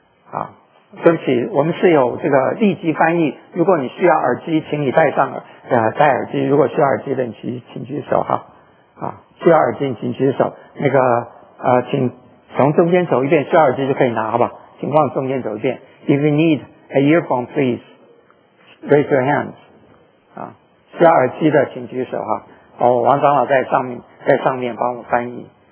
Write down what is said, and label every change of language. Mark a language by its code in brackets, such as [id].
[zh] 啊，对不起，我们是有这个立即翻译，如果你需要耳机，请你戴上戴耳机，如果需要耳机的请举手哈。啊，需要耳机请举手，那个请从中间走一遍，需要耳机就可以拿好吧，请往中间走一遍。 [en] If you need a earphone, please raise your hand. [zh] 啊，需要耳机的请举手哈。哦，王长老在上面帮我翻译。